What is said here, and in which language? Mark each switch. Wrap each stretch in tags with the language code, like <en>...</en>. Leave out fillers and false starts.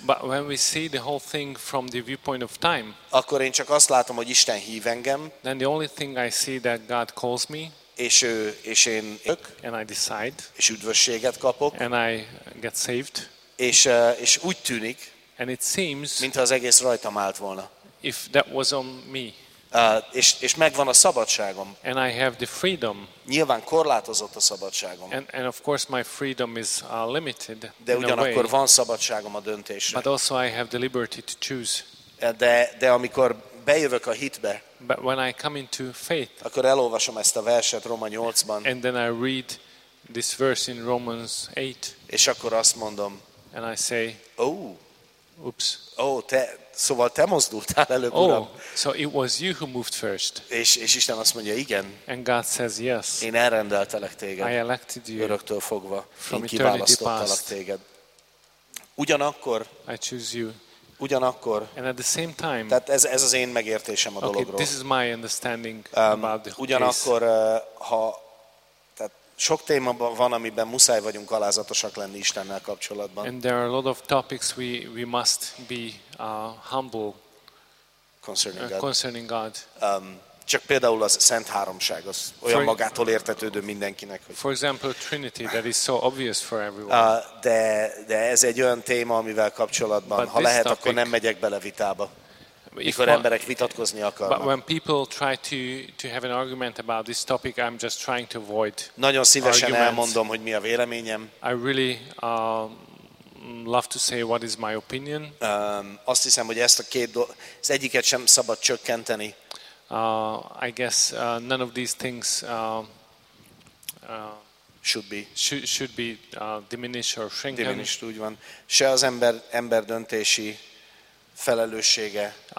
<en>but when we see the whole thing from the viewpoint of time,</en> <hu>akkor én csak azt látom, hogy Isten hív engem.</hu> <en>Then the only thing I see that God calls me.</en> <hu>És én</hu> <en>and I decide,</en> <hu>és üdvösséget kapok,</hu> <en>and I get saved,</en> <hu>és úgy tűnik,</hu> <en>and it seems,</en> <hu>mintha az egész rajtam állt volna,</hu> <en>if that was on me,</en> <hu>és megvan a szabadságom,</hu> <en>and I have the freedom,</en> <hu>nyilván korlátozott a szabadságom,</hu> <en>and of course my freedom is limited,</en> <hu>de ugyanakkor van szabadságom a döntésre,</hu> <en>but also I have the liberty to choose,</en> <hu>de amikor bejövök a hitbe,</hu> <en>but when I come into faith,</en> <hu>akkor elolvasom ezt a verset Róma 8-ban,</hu> <en>and then I read this verse in Romans 8,</en> <hu>és akkor azt mondom,</hu> <en>and I say, oh, oops,</en> <hu>oh, te mozdultál előbb, oh, Uram.</hu> <en>So it was you who moved first,</en> <hu>és Isten azt mondja, igen,</hu> <en>and God says yes,</en> <hu>én elrendeltelek téged,</hu> <en>I elected you,</en> <hu>öröktől fogva,</hu> <en>from eternity past,</en> <hu>én kiválasztottalak téged, ugyanakkor,</hu> <en>I choose you.</en> <hu>Ugyanakkor,</hu> <en>and at the same time,</en> <hu>tehát ez az én megértésem a dologról.</hu> <en>This is my understanding about the</en> <hu>ugyanakkor,</hu> <en>case.</en> <hu>Ha tehát Sok téma van, amiben muszáj vagyunk alázatosak lenni Istennel kapcsolatban.</hu> <en>And there are a lot of topics we must be humble concerning God.</en> <hu>Csak például az Szent Háromság, az olyan magától értetődő mindenkinek. Hogy...</hu> <en>For example, Trinity, that is so obvious for everyone.</en> <hu>De ez egy olyan téma, amivel kapcsolatban, but ha lehet, topic, akkor nem megyek bele vitába, mikor emberek vitatkozni akarnak.</hu> <en>But when people try to have an argument about this topic, I'm just trying to avoid.</en> <hu>Nagyon szívesen arguments. Elmondom, hogy mi a véleményem.</hu> <en>I really love to say what is my opinion.</en> <hu>Azt hiszem, hogy ezt a két az egyiket sem szabad csökkenteni.</hu> <en>I guess none of these things should be diminished or shrinken.</en> <hu>Diminished, úgy van. Se az ember döntési felelőssége.</hu>